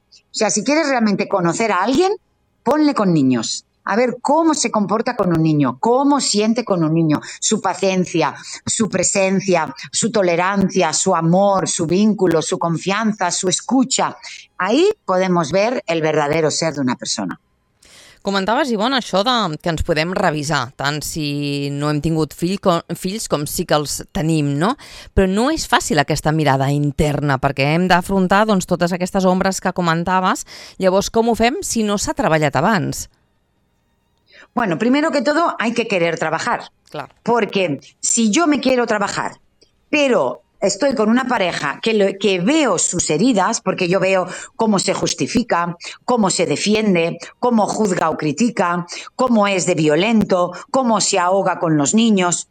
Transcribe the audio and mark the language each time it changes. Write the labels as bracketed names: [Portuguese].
[Spanish] O sea, si quieres realmente conocer a alguien, ponle con niños. A ver cómo se comporta con un niño, cómo siente con un niño, su paciencia, su presencia, su tolerancia, su amor, su vínculo, su confianza, su escucha. Ahí podemos ver el verdadero ser de una persona. [Catalan] Comentaves, Ivonne, això de que ens podem revisar, tant si no hem tingut fills com sí que els tenim, no? Però no és fàcil aquesta mirada interna, perquè hem d'afrontar doncs, totes aquestes ombres que comentaves. Llavors, com ho fem si no s'ha treballat abans? [Spanish] Bueno, primero que todo, hay que querer trabajar. Claro. Porque si yo me quiero trabajar, pero estoy con una pareja que veo sus heridas, porque yo veo cómo se justifica, cómo se defiende, cómo juzga o critica, cómo es de violento, cómo se ahoga con los niños.